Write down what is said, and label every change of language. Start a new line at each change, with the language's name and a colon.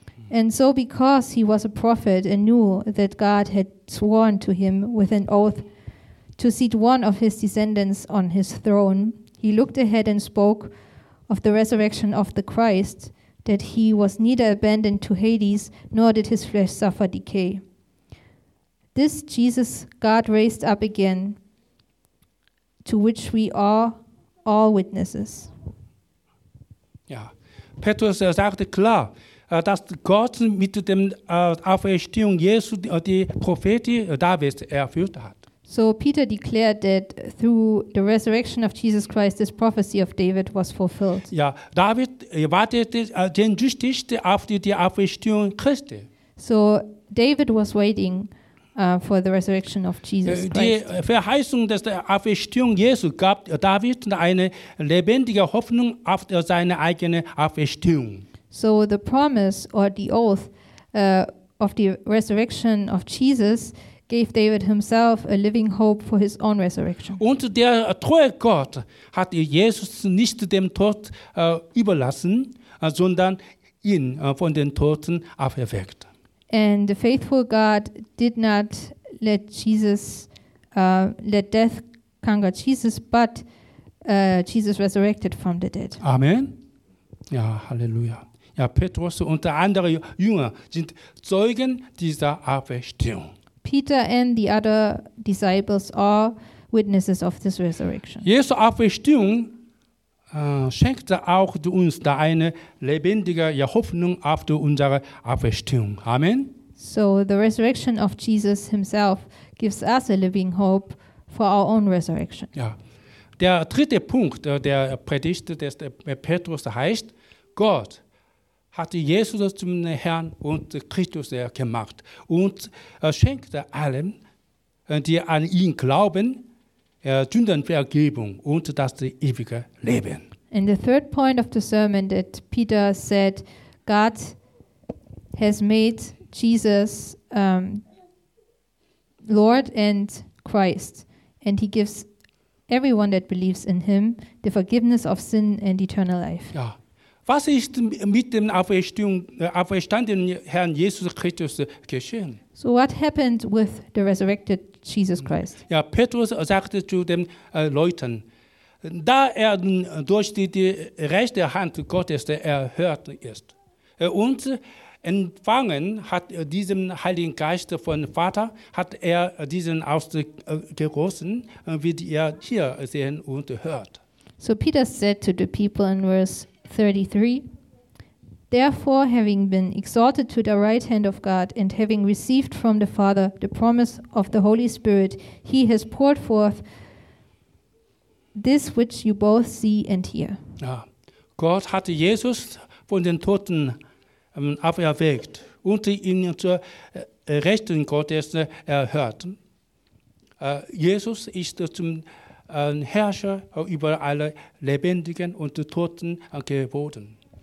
English: And so because he was a prophet and knew that God had sworn to him with an oath to seat one of his descendants on his throne, he looked ahead and spoke of the resurrection of the Christ, that he was neither abandoned to Hades, nor did his flesh suffer decay. This Jesus God raised up again, to which we are all witnesses.
German: Ja, Petrus sagte klar, dass Gott mit dem Auferstehung Jesu die Propheten Davids erfüllt hat.
English: So Peter declared that through the resurrection of Jesus Christ, this prophecy of David was fulfilled.
German: Ja, David wartete den Justizte auf die Auferstehung Christi.
English: So David was waiting for the resurrection of Jesus Christ.
German: Die Verheißung der Auferstehung Jesu gab David eine lebendige Hoffnung auf seine eigene Auferstehung.
English: So the promise or the oath of the resurrection of Jesus gave David himself a living hope for his own resurrection.
German: Und der treue Gott hat Jesus nicht dem Tod überlassen, sondern ihn von den Toten auferweckt.
English: And the faithful God did not let Jesus let death conquer Jesus, but Jesus resurrected from the dead. Amen. Ja, Halleluja.
German: Ja, Petrus und andere Jünger sind Zeugen dieser Auferstehung.
English: Peter and the other disciples are witnesses of this resurrection.
German: Jesu Auferstehung schenkt auch uns da eine lebendige Hoffnung auf unsere Auferstehung. Amen.
English: So the resurrection of Jesus himself gives us a living hope for our own resurrection. Ja.
German: Der dritte Punkt der Predigt des Petrus heißt, Gott hat Jesus zum Herrn und Christus gemacht und schenkte allen, die an ihn glauben, Sündenvergebung und das ewige Leben.
English: In the third point of the sermon that Peter said, God has made Jesus Lord and Christ, and he gives everyone that believes in him the forgiveness of sin and eternal life. Ja.
German: Was ist mit dem auferstandenen Herrn Jesus Christus geschehen?
English: So what happened with the resurrected Jesus Christ?
German: Ja, Petrus sagte zu den Leuten, da er durch die rechte Hand Gottes erhört ist und empfangen hat diesen Heiligen Geist von Vater, hat er diesen ausgegossen, wie er hier sehen und hört.
English: So Peter said to the people in verse 33, therefore, having been exalted to the right hand of God and having received from the Father the promise of the Holy Spirit, he has poured forth this which you both see and hear. Ja.
German: Gott hat Jesus von den Toten auferweckt und ihn zur Rechten Gottes erhört. Jesus ist zum Herrscher über alle Lebendigen und Toten geworden.